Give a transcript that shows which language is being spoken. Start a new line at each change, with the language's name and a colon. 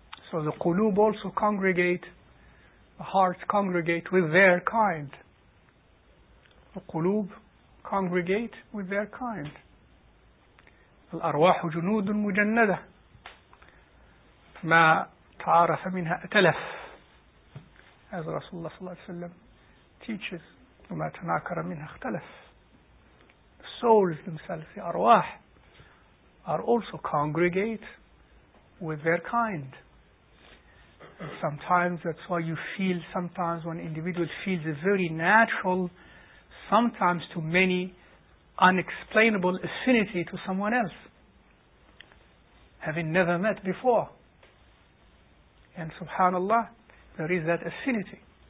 English: So the قلوب also congregate, the hearts congregate with their kind. The قلوب congregate with their kind.
Arabic: الأرواح جنود مجندة ما تعارف منها أتلف. As Rasulullah صلى الله عليه وسلم
English: teaches,
Arabic: وما تناكر منها اختلف.
English: Souls themselves, the أرواح, are also congregate with their kind. And sometimes that's why you feel, sometimes when an individual feels a very natural, sometimes to many, unexplainable affinity to someone else, having never met before. And subhanAllah, there is that affinity.